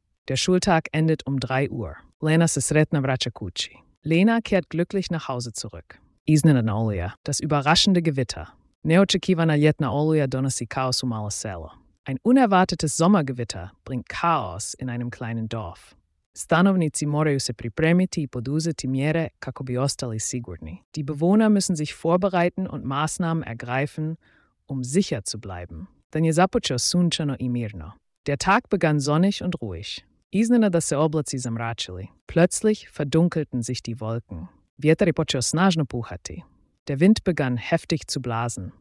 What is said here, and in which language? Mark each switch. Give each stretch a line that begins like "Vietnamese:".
German: Der Schultag endet um 3 Uhr.
Croatian: Lena se sretna vraća kući.
German: Lena kehrt glücklich nach Hause zurück.
Croatian: Iznenadna oluja.
German: Das überraschende Gewitter.
Croatian: Neočekivana ljetna oluja donosi kaos u malo selo.
German: Ein unerwartetes Sommergewitter bringt Chaos in einem kleinen Dorf.
Croatian: Stanovnici moraju se pripremiti i poduzeti mjere kako bi ostali sigurni.
German: Die Bewohner müssen sich vorbereiten und Maßnahmen ergreifen, um sicher zu bleiben.
Croatian: Dan je započeo sunčano i mirno.
German: Der Tag begann sonnig und ruhig.
Croatian: Iznena da se oblaci zamračili.
German: Plötzlich verdunkelten sich die Wolken.
Croatian: Vjetar je počeo snažno puhati.
German: Der Wind begann heftig zu blasen.